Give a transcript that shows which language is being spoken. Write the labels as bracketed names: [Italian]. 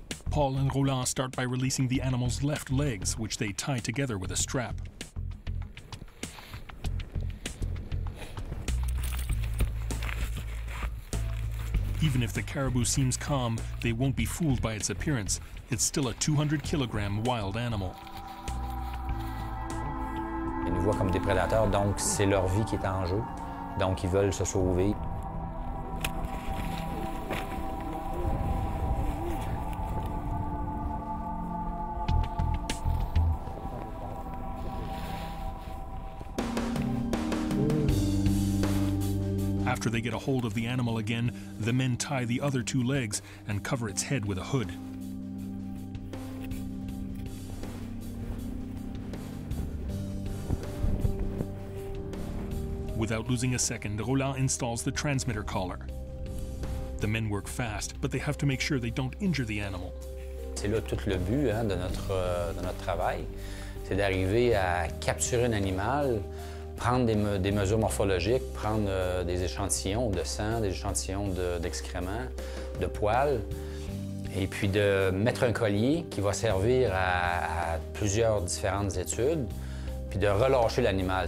[English] Paul and Roland start by releasing the animal's left legs, which they tie together with a strap. Even if the caribou seems calm, they won't be fooled by its appearance. It's still a 200-kilogram wild animal. [French] Ils nous voient comme des prédateurs, donc c'est leur vie qui est en jeu. Donc ils veulent se sauver. [English] After they get a hold of the animal again, the men tie the other two legs and cover its head with a hood. Without losing a second, Roland installs the transmitter collar. The men work fast, but they have to make sure they don't injure the animal. [French] C'est là tout le but hein, de notre travail, c'est d'arriver à capturer un animal, prendre des mesures morphologiques, prendre des échantillons de sang, des échantillons d'excréments, de poils, et puis de mettre un collier qui va servir à plusieurs différentes études, puis de relâcher l'animal.